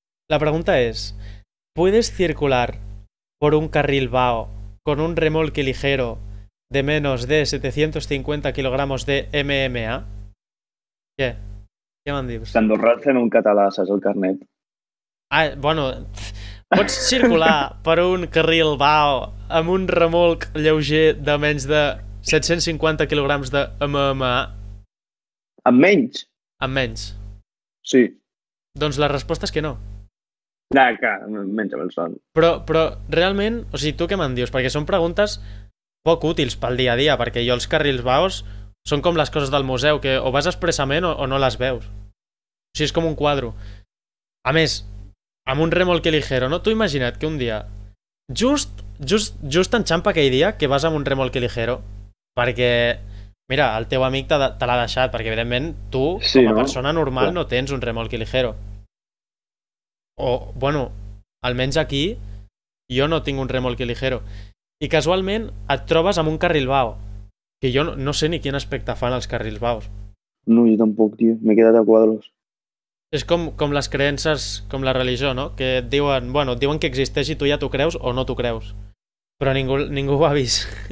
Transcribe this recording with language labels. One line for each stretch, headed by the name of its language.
Catalan: La pregunta és:
Spanish: ¿puedes circular por un carril vao con un remolque ligero de menos de 750 kilogramos de MMA?
Catalan: Què? Què me'n dius? T'andorrats en un català, saps el carnet? Ah, bueno, pots circular per un carril vao amb un remolc lleuger de menys de 750 kilogramos de MMA? Amb menys? Amb menys. Sí. Doncs la resposta és que no. Ja, que menja el son. Però realment, o sigui, tu què me'n dius? Perquè són preguntes poc útils pel dia a dia, perquè jo els carrils baos són com les coses del museu, que o vas expressament o no les veus. O sigui, és com un quadro. A més, amb un
Spanish: remolque ligero,
Catalan: no? Tu imagina't que un dia, just enxampa aquell dia que vas amb un remolque ligero, perquè... Mira, el teu amic te l'ha deixat, perquè evidentment tu, sí, com a no? persona normal, no tens un
Spanish: remolque ligero.
Catalan: O, bueno, almenys aquí, jo no tinc un
Spanish: remolque ligero.
Catalan: I casualment et trobes amb un carril vao, que jo no sé ni quin aspecte fan els carrils vaos. No, jo tampoc, tio. M'he quedat a quadros. És com les creences, com la religió, no? Que et diuen, bueno, et diuen que existeix i tu ja t'ho creus o no t'ho creus. Però ningú ho ha vist.